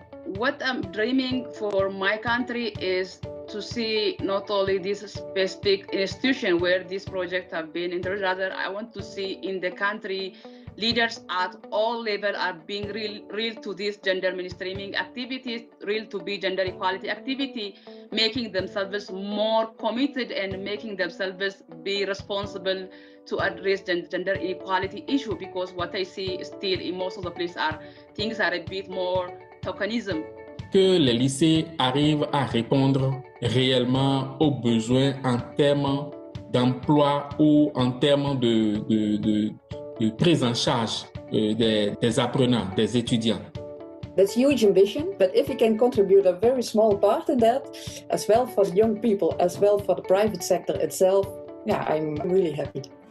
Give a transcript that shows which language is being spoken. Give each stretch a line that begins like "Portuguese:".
English: What I'm dreaming for my country is to see not only this specific institution where this project have been introduced, rather I want to see in the country leaders at all level are being real to this gender mainstreaming activities, real to be gender equality activity, making themselves more committed and making themselves be responsible to address gender inequality issue. Because what I see still in most of the places are things are a bit more tokenism.
French: Que les lycées arrivent à répondre réellement aux besoins en termes d'emploi ou en termes de prise en charge des apprenants, des étudiants.
English: That's huge ambition, but if we can contribute a very small part of that, as well for the young people, as well for the private sector itself, yeah, I'm really happy.